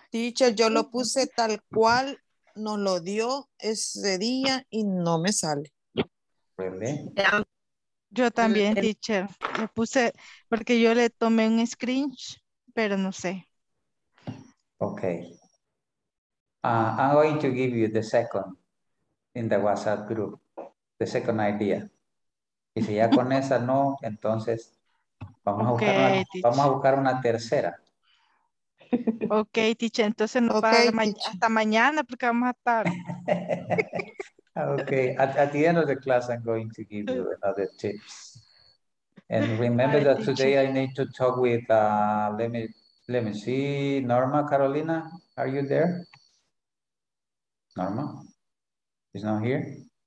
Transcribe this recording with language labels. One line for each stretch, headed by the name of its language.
Spanish: Teacher, yo lo puse tal cual, nos lo dio ese día y no me sale. ¿Verdad? Yo también, teacher, le puse, porque yo le tomé un screenshot, pero no sé. Ok.
English: I'm going to give you the second in the WhatsApp group, the second idea.
Spanish: Y si ya con esa no, entonces vamos, okay, a buscar una, vamos a buscar una tercera. Ok, teacher, entonces no va hasta mañana porque vamos a estar...
English: Okay, at the end of the class, I'm going to give you another tips. And remember that today I need to talk with, let me see, Norma, Carolina, are you there? Norma, she's not here?